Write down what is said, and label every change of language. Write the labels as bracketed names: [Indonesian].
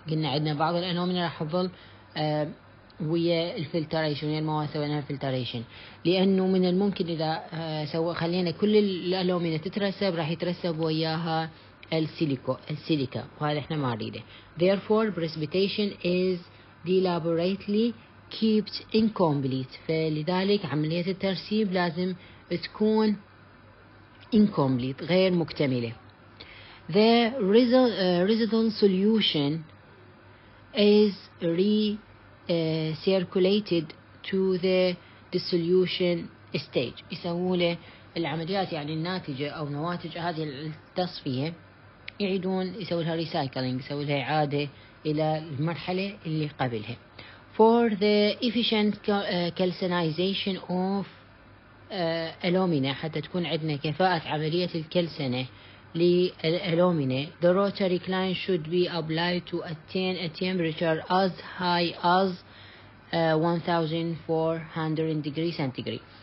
[Arabic] قلنا عندنا بعض الألومنة راح تظل ويا الفلتريشن ويا المواد سويناها فلتريشن، لأنه من الممكن إذا سوى خلينا كل الألومنة تترسب راح يترسب وياها السيليكا وهذا إحنا ما نريده. [English] Therefore precipitation is deliberately keeps incomplete. [Arabic] فلذلك عملية الترسيب لازم تكون incomplete غير مكتملة. [English] The residual solution is recirculated to the dissolution stage. [Arabic] يسووا له العمليات يعني الناتجة أو نواتج هذه التصفية يعيدون يسووا لها recycling، يسووا لها إعادة إلى المرحلة اللي قبلها. [English] For the efficient calcination of alumina, [Arabic] حتى تكون عندنا كفاءة عملية الكلسنة للألومنة, [English] the rotary line should be applied to attain a temperature as high as 1400 degrees centigrade.